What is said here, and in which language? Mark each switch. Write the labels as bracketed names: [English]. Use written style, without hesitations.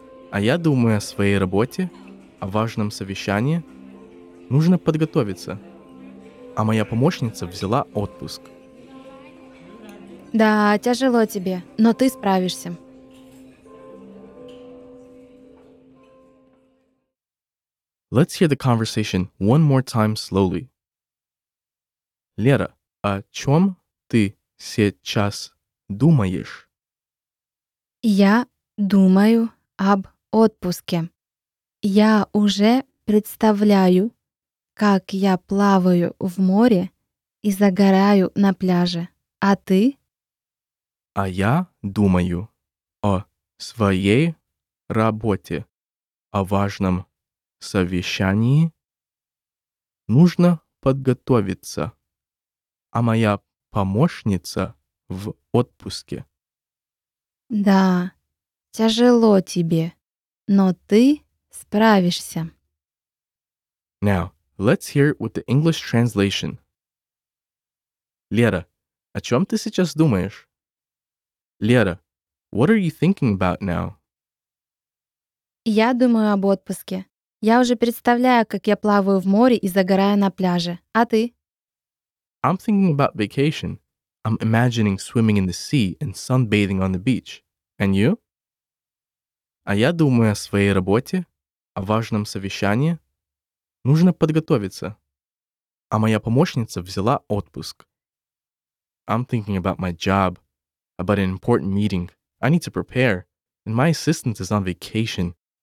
[Russian] А я думаю о своей работе, о важном совещании. Нужно подготовиться. А моя помощница взяла отпуск. Да, тяжело тебе, но ты справишься. [English] Let's hear the conversation one more time slowly. [Russian] Лера, о чем ты сейчас думаешь? Я думаю об отпуске. Я уже представляю, как я плаваю в море и загораю на пляже. А ты? А я думаю о своей работе, о важном совещании. Нужно подготовиться. А моя помощница в отпуске. Да, тяжело тебе, но ты справишься. [English] Now, let's hear it with the English translation. [Russian] Лера, о чем ты сейчас думаешь? [English] Лера, what are you thinking about now? [Russian] Я думаю об отпуске. Я уже представляю, как я плаваю в море и загораю на пляже. А ты? [English] I'm thinking about vacation. I'm imagining swimming in the sea and sunbathing on the beach. And you? [Russian] А я думаю о своей работе, о важном совещании. Нужно подготовиться. А моя помощница взяла отпуск. [English] I'm thinking about my job. About an important meeting. I need to prepare. And my assistant is on vacation.